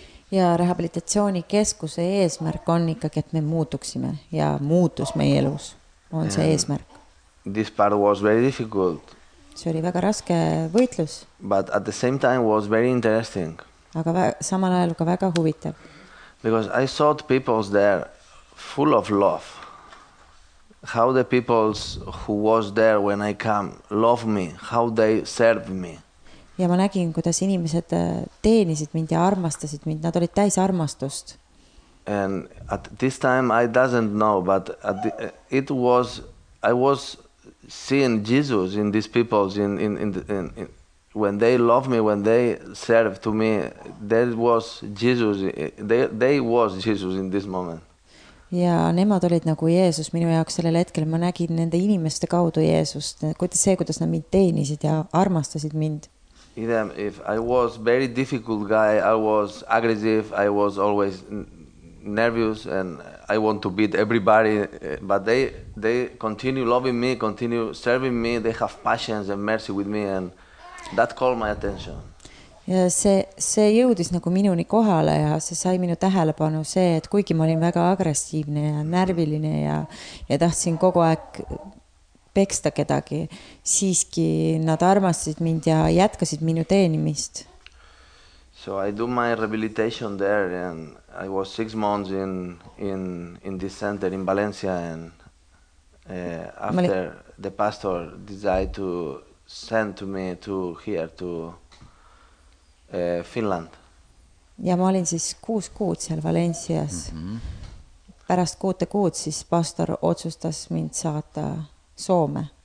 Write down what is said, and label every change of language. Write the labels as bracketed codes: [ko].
[et] Ja rehabilitatsiooni keskuse eesmärk on ikkagi, et me muutuksime ja muutus meie elus on see eesmärk. [en] This part was very difficult. [et] See oli väga raske võitlus. [en] But at the same time was very interesting. [et] Aga samal ajal ka väga huvitav. [en] Because I saw the people there full of love. How the people who was there when I come love me, how they serve me. [et] Ja ma nägin, kuidas inimesed teenisid mind ja armastasid mind. Nad olid täis armastust. [en] And at this time I doesn't know, but it was, I was seeing Jesus in these people in when they love me, when they serve to me, there was Jesus, they was Jesus in this moment. [et] Ja nemad olid nagu Jeesus minu jaoks sellel hetkel. Ma nägin nende inimeste kaudu Jeesust. Kuidas see, kuidas nad mind teenisid ja armastasid mind. [en] If I was very difficult guy, I was aggressive, I was always nervous and I want to beat everybody, but they continue loving me, continue serving me, they have patience and mercy with me and that called my attention. [et] Ja see jõudis nagu minuni kohale ja see sai minu tähelepanu see, et kuigi ma olin väga agressiivne ja närviline ja tahtsin kogu aeg peksta kedagi, siiski nad armastasid mind ja jätkasid minu teenimist. [en] So I do my rehabilitation there and I was 6 months in this center in Valencia and after the pastor decided to sent to me to here to Finland. [et] Ja ma olin siis 6 kuud seal Valencias. Pärast 6 kuud siis pastor otsustas mind saata Soome.